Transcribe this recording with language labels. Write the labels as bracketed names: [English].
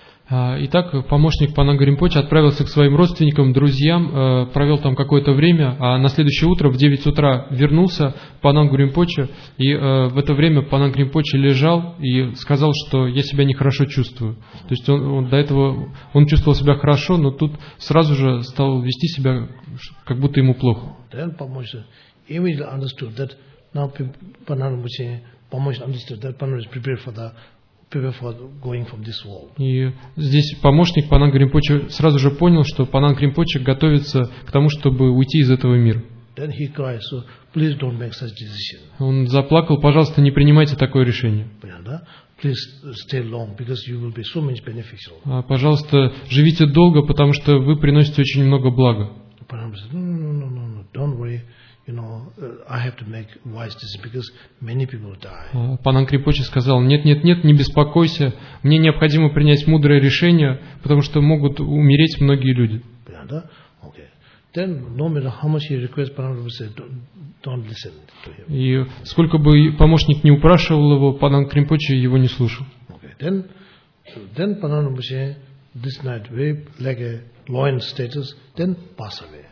[Russian] Итак, помощник Панан Гримпоч отправился к своим родственникам, друзьям, провел там какое-то время, а на следующее утро в 9 утра вернулся Панан Гримпоч, и в это время Панан Гримпоч лежал и сказал, что я себя нехорошо чувствую. То есть он до этого он чувствовал себя хорошо, но тут сразу же стал вести себя, как будто ему плохо. [English] Then [Russian] помощник [English] immediately understood that now Panan Gurimpoche, [Russian] помощник [English] understood that Panan is prepared for the going from this world. [Russian] И здесь помощник Панан Гримпоче сразу же понял, что Панан Гримпоче готовится к тому, чтобы уйти из этого мира. [English] Then he cried, so please don't make such decision. [Russian] Он заплакал, пожалуйста, не принимайте такое решение. [English] Please stay long, because you will be so much beneficial. [Russian] А, пожалуйста, живите долго, потому что вы приносите очень много блага. [English] No, don't worry. You know, I have to make wise decision because many people die. [Russian] Панан Кримпоче сказал: нет, не беспокойся. Мне необходимо принять мудрое решение, потому что могут умереть многие люди. Да? [English] Okay. Then, no matter how much he requests, Panan Rinpoche don't listen to him. [Russian] И сколько бы помощник не упрашивал его, Панан Кримпоче его не слушал. [English] Okay. Then Panan Rinpoche this night very like a lion status, then pass away.